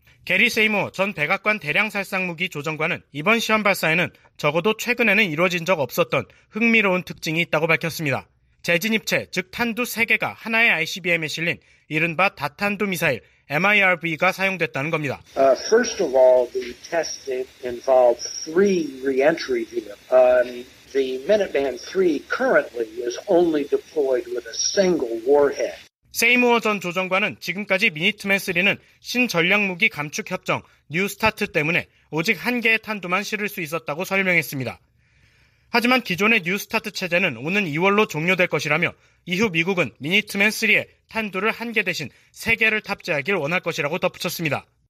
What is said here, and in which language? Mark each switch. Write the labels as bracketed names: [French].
[Korean] 게리 세이모 전 백악관 대량살상무기 조정관은 이번 시험 발사에는 적어도 최근에는 이루어진 적 없었던 흥미로운 특징이 있다고 밝혔습니다. 재진입체, 즉 탄두 3개가 하나의 ICBM에 실린 이른바 다탄두 미사일, MIRV가 사용됐다는 겁니다. [English] First of all, the test involved three re-entry vehicles. The Minuteman III currently is only deployed with a single warhead. [Korean] 세이모어 전 조정관은 지금까지 미니트맨3는 신전략무기 감축협정, 뉴 스타트 때문에 오직 한 개의 탄두만 실을 수 있었다고 설명했습니다. 하지만 기존의 뉴 스타트 체제는 오는 2월로 종료될 것이라며 이후 미국은 미니트맨3의 탄두를 한 개 대신 세 개를 탑재하길 원할 것이라고 덧붙였습니다.